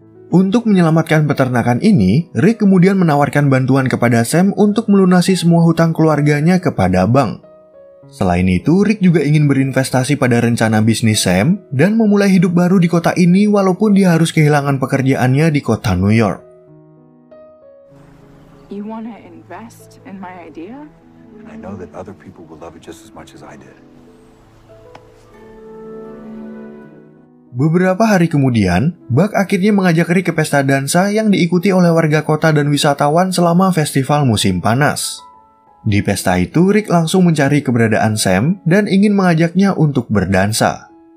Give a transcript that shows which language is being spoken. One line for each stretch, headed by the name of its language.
Indonesian: Untuk menyelamatkan peternakan ini, Rick kemudian menawarkan bantuan kepada Sam untuk melunasi semua hutang keluarganya kepada bank. Selain itu, Rick juga ingin berinvestasi pada rencana bisnis Sam dan memulai hidup baru di kota ini walaupun dia harus kehilangan pekerjaannya di kota New York.
English: You wanna invest in my idea? I know that other people will love it just as much as I did.
Indonesian: Beberapa hari kemudian, Buck akhirnya mengajak Rick ke pesta dansa yang diikuti oleh warga kota dan wisatawan selama festival musim panas. Di pesta itu, Rick langsung mencari keberadaan Sam dan ingin mengajaknya untuk berdansa.